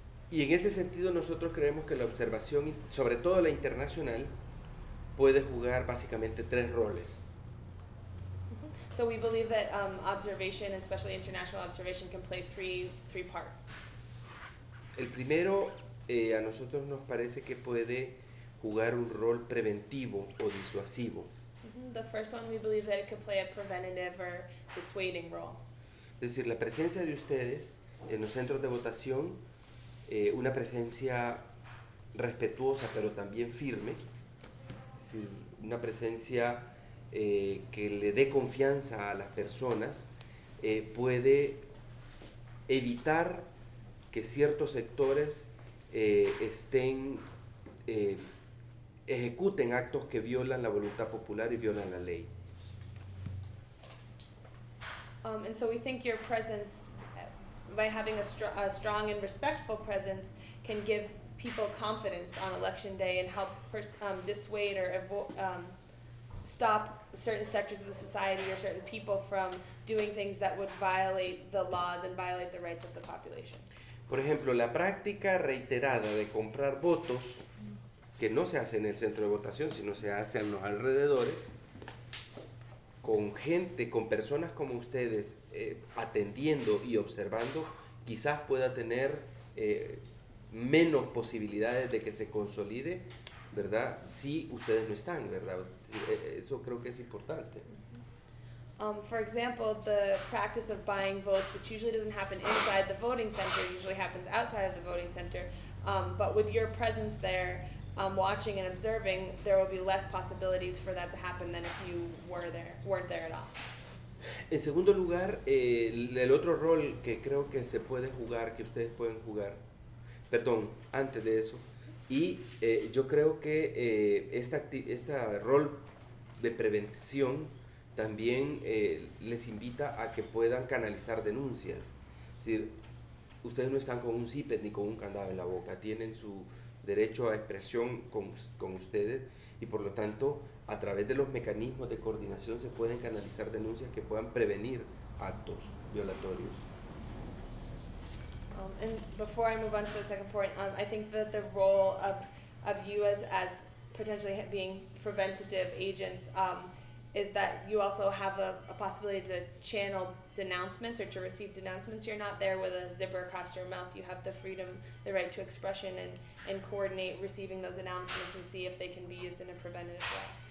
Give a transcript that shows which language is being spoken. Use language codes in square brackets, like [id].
[es] Y en ese sentido nosotros creemos que la observación, sobre todo la internacional, puede jugar básicamente tres roles. [en] So we believe that observation, especially international observation, can play three parts. [es] El primero, a nosotros nos parece que puede jugar un rol preventivo o disuasivo. [en] The first one, we believe that it could play a preventative or dissuading role. [es] Es decir, la presencia de ustedes en los centros de votación, una presencia respetuosa pero también firme, una presencia que le dé confianza a las personas, puede evitar que ciertos sectores ejecuten actos que violan la voluntad popular y violan la ley. [en] And so we think your presence, by having a strong and respectful presence, can give people confidence on election day and help dissuade or stop certain sectors of the society or certain people from doing things that would violate the laws and violate the rights of the population. [es] Por ejemplo, la práctica reiterada de comprar votos, que no se hace en el centro de votación, sino se hace en los alrededores, con gente, con personas como ustedes atendiendo y observando, quizás pueda tener menos posibilidades de que se consolide, ¿verdad? Si ustedes no están, ¿verdad? Eso creo que es importante. [en] For example, the practice of buying votes, which usually doesn't happen inside the voting center, usually happens outside of the voting center, but with your presence there, watching and observing, there will be less possibilities for that to happen than if you weren't there at all. [es] En segundo lugar, el otro rol que creo que se puede jugar, que ustedes pueden jugar, perdón, antes de eso, y yo creo que este rol de prevención también les invita a que puedan canalizar denuncias. Es decir, ustedes no están con un zipper ni con un candado en la boca, tienen su derecho a expresión con ustedes, y por lo tanto, a través de los mecanismos de coordinación se pueden canalizar denuncias que puedan prevenir actos violatorios. [en] And before I move on to the second point, I think that the role of you as potentially being preventative agents is that you also have a possibility to channel denouncements or to receive denouncements. You're not there with a zipper across your mouth. You have the freedom, the right to expression, and coordinate receiving those announcements and see if they can be used in a preventative way.